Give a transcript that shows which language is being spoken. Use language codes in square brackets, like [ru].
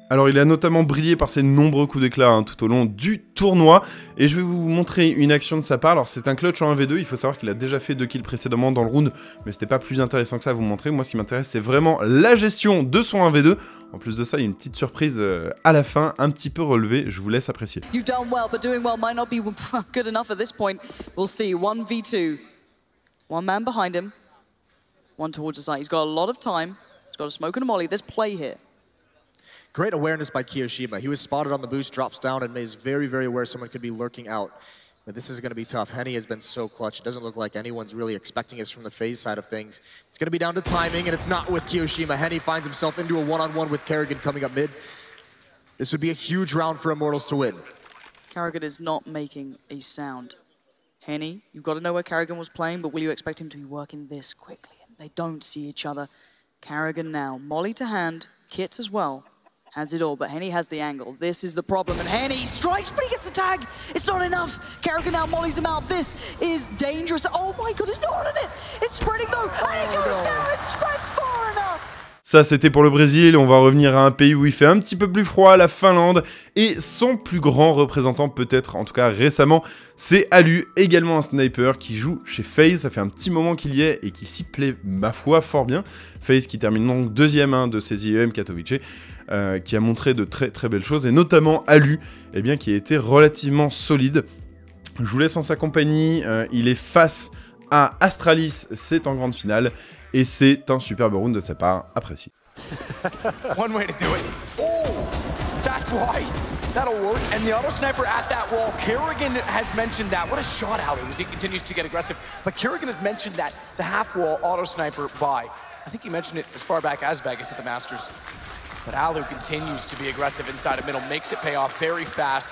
[fr] Alors il a notamment brillé par ses nombreux coups d'éclat hein, tout au long du tournoi, et je vais vous montrer une action de sa part. Alors c'est un clutch en 1v2, il faut savoir qu'il a déjà fait 2 kills précédemment dans le round, mais c'était pas plus intéressant que ça à vous montrer. Moi ce qui m'intéresse c'est vraiment la gestion de son 1v2, en plus de ça il y a une petite surprise à la fin, un petit peu relevée, je vous laisse apprécier. [en] You've done well, but doing well might not be good enough at this point, we'll see, 1v2. One man behind him, one towards the side. He's got a lot of time. He's got a smoke and a molly. There's play here. Great awareness by Kiyoshima. He was spotted on the boost, drops down, and is very, very aware someone could be lurking out. But this is going to be tough. Henny has been so clutch. It doesn't look like anyone's really expecting us from the phase side of things. It's going to be down to timing, and it's not with Kiyoshima. Henny finds himself into a one-on-one with Kerrigan coming up mid. This would be a huge round for Immortals to win. Kerrigan is not making a sound. Henny, you've got to know where Kerrigan was playing, but will you expect him to be working this quickly? They don't see each other. Kerrigan now, Molly to hand, Kit as well, has it all, but Henny has the angle. This is the problem, and Henny strikes, but he gets the tag. It's not enough. Kerrigan now, Molly's him out. This is dangerous. Oh my God, it's not on it. It's spreading though, and it goes down. It spreads far enough. [fr] Ça, c'était pour le Brésil. On va revenir à un pays où il fait un petit peu plus froid, la Finlande. Et son plus grand représentant, peut-être, en tout cas récemment, c'est Alu, également un sniper qui joue chez FaZe. Ça fait un petit moment qu'il y est et qui s'y plaît, ma foi, fort bien. FaZe qui termine donc deuxième hein, de ses IEM Katowice, qui a montré de très très belles choses. Et notamment Alu, eh bien, qui a été relativement solide. Je vous laisse en sa compagnie. Il est face à Astralis, c'est en grande finale. Et c'est un superbe round de sa part, apprécié. [en] One way to do it. Oh, that's why. That'll work. And the auto sniper at that wall. Kerrigan has mentioned that. What a shot out it was. He continues to get aggressive. But Kerrigan has mentioned that the half wall auto sniper by. I think he mentioned it as far back as Vegas at the Masters. But Alu continues to be aggressive inside of middle, makes it pay off very fast.